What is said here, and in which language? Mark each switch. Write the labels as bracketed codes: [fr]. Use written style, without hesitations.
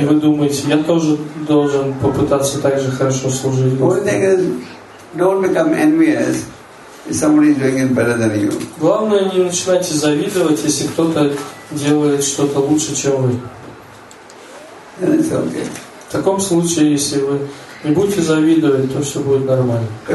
[ru] И вы думаете, я тоже должен попытаться так же хорошо служить Господу. [en] One thing is, don't become envious if somebody is doing it better than you. [ru] Главное, не начинайте завидовать, если кто-то делает что-то лучше, чем вы. [en] Then it's okay. [ru] В таком случае, если вы не будьте завидовать, то все будет нормально.